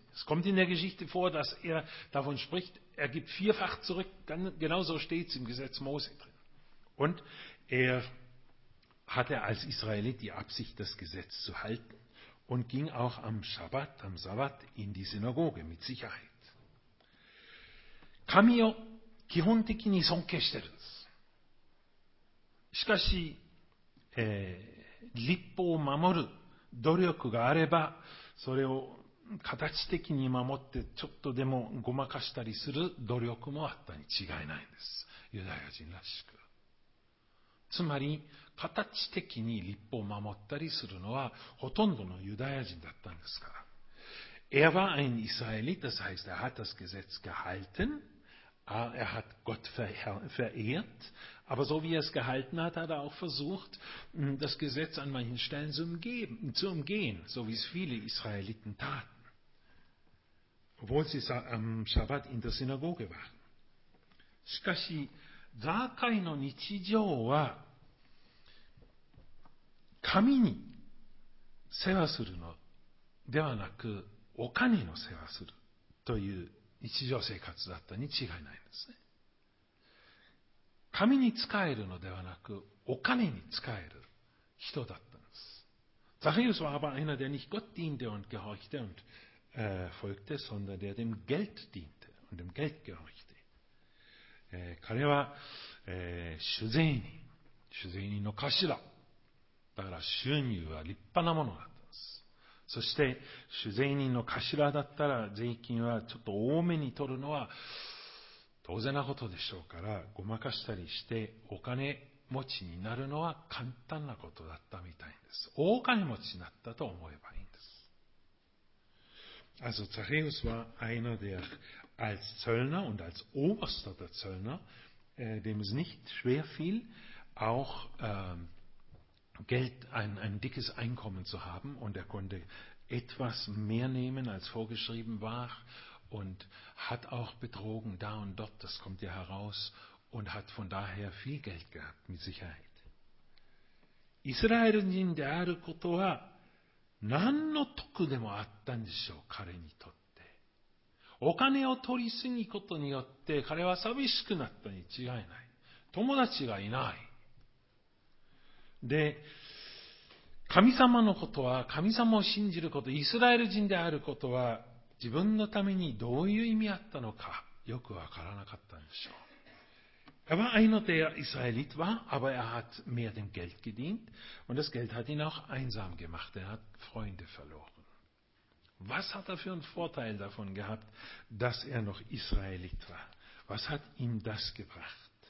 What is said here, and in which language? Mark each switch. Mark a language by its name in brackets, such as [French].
[German] Es kommt in der Geschichte vor, dass davon spricht, gibt vierfach zurück, genauso steht es im Gesetz Mose drin. Und hatte als Israelit die Absicht, das Gesetz zu halten. Und ging auch am Sabbat in die Synagoge, mit Sicherheit. [Japanese] 神を基本的に尊敬してるんです。しかし、律法を守る努力があれば、それを形的に守ってちょっとでもごまかしたりする努力もあったに違いないんです。ユダヤ人らしく。つまり、形的に律法を守ったりするのはほとんどのユダヤ人だったんですから。 [German] war ein Israelit, das heißt, hat das Gesetz gehalten, hat Gott verehrt, aber so wie gehalten hat, hat auch versucht, das Gesetz an manchen Stellen zu umgehen, so wie es viele Israeliten taten, obwohl sie am Shabbat in der Synagoge waren. [Japanese] しかし、ザーカイの日常は神に世話するのではなくお金の世話するという日常生活だったに違いないんですね。神に仕えるのではなくお金に仕える人だったんです。 [German] ザカイウスは aber einer, der nicht Gott diente und gehorchte und folgte, sondern der dem Geld diente und dem Geld gehorchte. [Japanese] 彼は、主税人の頭。だから収入は立派なものだったんです。そして主税人の頭だったら税金はちょっと多めに取るのは当然なことでしょうから、ごまかしたりしてお金持ちになるのは簡単なことだったみたいです。大金持ちになったと思えばいいんです。 [German] Also Zachäus war einer, der als Zöllner und als Oberster der Zöllner, dem es nicht schwer fiel, auch Geld, ein dickes Einkommen zu haben, und er konnte etwas mehr nehmen, als vorgeschrieben war, und hat auch betrogen da und dort, das kommt ja heraus, und hat von daher viel Geld gehabt, mit Sicherheit. [Japanese] Israel人 であることは何の得でもあったんでしょう、彼にとって。お金を取りすぎことによって彼は寂しくなったに違いない。友達がいない。で、神様のことは、神様を信じること、イスラエル人であることは、自分のためにどういう意味あったのか、よくわからなかったんでしょう。 [German] Er war einer, der Israelit war, aber er hat mehr dem Geld gedient und das Geld hat ihn auch einsam gemacht. Er hat Freunde verloren. Was hat er für einen Vorteil davon gehabt, dass er noch Israelit war? Was hat ihm das gebracht?